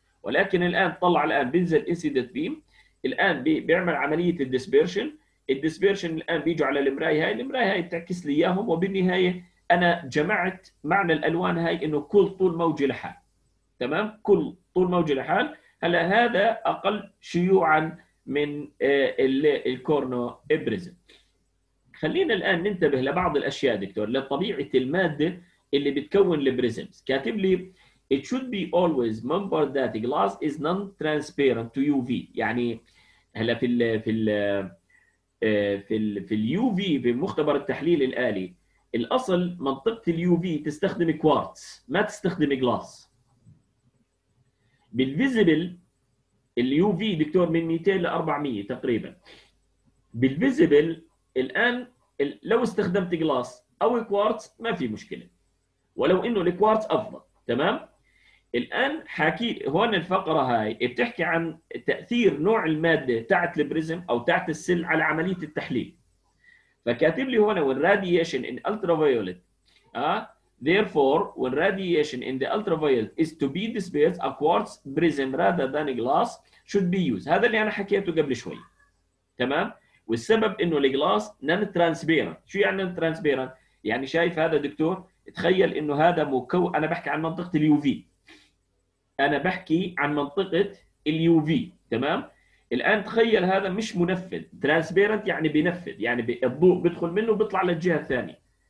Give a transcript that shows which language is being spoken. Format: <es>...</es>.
<ar>ولكن الآن طلع الآن بينزل</ar> <en>incident beam،</en> <ar>الآن بيعمل عملية الديسبيرشن، الديسبيرشن الآن بيجوا على المراية هاي، المراية هاي بتعكس لي إياهم، وبالنهاية أنا جمعت معنى الألوان هاي إنه كل طول موجة لحال، تمام؟ كل طول موجة لحال. هلا هذا أقل شيوعا من الكورنو إبريزم. خلينا الآن ننتبه لبعض الأشياء دكتور، لطبيعة المادة اللي بتكون البريزمز. كاتب لي</ar> <en>it should be always remember that glass is non-transparent to UV.</en> <ar>يعني هلا في الـ في الـ في الـ في الـ UV في مختبر التحليل الآلي، الأصل منطقة الـ UV تستخدم كوارتز ما تستخدم غلاس. بالفيزبل الـ UV دكتور من 200 ل 400 تقريبا. بالفيزبل الآن لو استخدمت غلاس أو كوارتز ما في مشكلة، ولو انه الكوارتز افضل، تمام؟ الان حكي هون الفقره هاي بتحكي عن تاثير نوع الماده تاعت البريزم او تاعت السل على عمليه التحليل. فكاتب لي هون</ar> <en>when radiation in ultraviolet therefore when radiation in the ultraviolet is to be dispersed a quartz prism rather than glass should be used.</en> <ar>هذا اللي انا حكيته قبل شوي، تمام؟ والسبب انه الجلاس نان ترانسبيرنت. شو يعني نان ترانسبيرنت؟ يعني شايف هذا دكتور، تخيل انه هذا مكون، انا بحكي عن منطقه اليو في، انا بحكي عن منطقه اليو في، تمام؟ الان تخيل هذا مش منفذ، ترانسبيرنت يعني بينفذ، يعني الضوء بيدخل منه وبيطلع للجهه الثانيه.</ar>